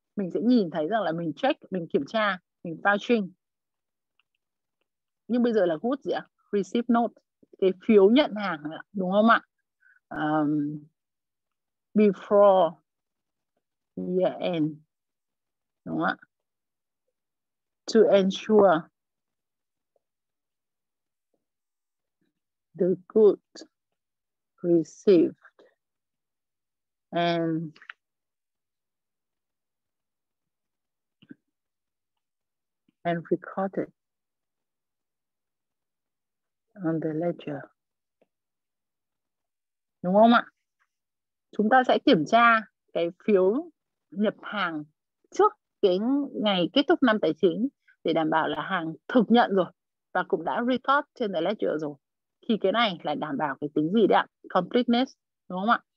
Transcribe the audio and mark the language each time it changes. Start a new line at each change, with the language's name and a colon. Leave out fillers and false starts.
Vietnamese: Mình sẽ nhìn thấy rằng là mình check, mình kiểm tra, mình vouching. Nhưng bây giờ là good gì ạ? Receipt note, cái phiếu nhận hàng, đúng không ạ?
English: Before year end,
Vietnamese: đúng không ạ?
English: To ensure the good received and recorded on the ledger.
Vietnamese: Đúng không ạ? Chúng ta sẽ kiểm tra cái phiếu nhập hàng trước cái ngày kết thúc năm tài chính để đảm bảo là hàng thực nhận rồi và cũng đã record trên the ledger rồi. Thì cái này là đảm bảo cái tính gì đấy ạ? Completeness, đúng không ạ?